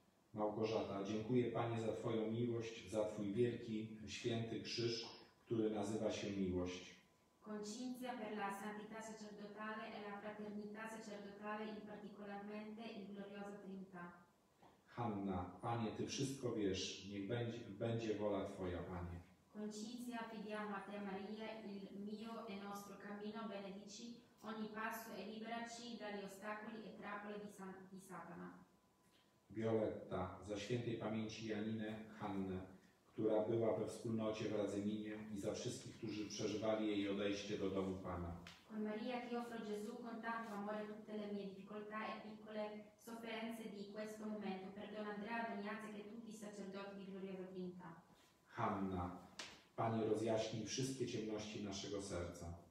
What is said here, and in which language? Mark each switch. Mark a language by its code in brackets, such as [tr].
[pl] Małgorzata, dziękuję Panie za Twoją miłość, za Twój wielki, święty krzyż, który nazywa się miłość. [it] Con Cinzia per la santità sacerdotale e la fraternità sacerdotale, in particolarmente il Gloriosa Trinità. [pl] Hanna, Panie, Ty wszystko wiesz, niech będzie wola Twoja, Panie. [it] Concizia, fidiamo a te Maria, il mio e nostro cammino, benedici ogni passo e liberaci dagli ostacoli e trappole di Satana. [pl] Violetta, za świętej pamięci Janinę, Hannę, która była we wspólnocie w Radzyminie i za wszystkich, którzy przeżywali jej odejście do domu Pana. [it] Con Maria, ti offro Gesù con tanto amore tutte le mie difficoltà e piccole sofferenze di questo momento, per Don Andrea, Don Jacek e tutti i sacerdoti di Gloria Trinità. [pl] Hanna, Panie, rozjaśnij wszystkie ciemności naszego serca.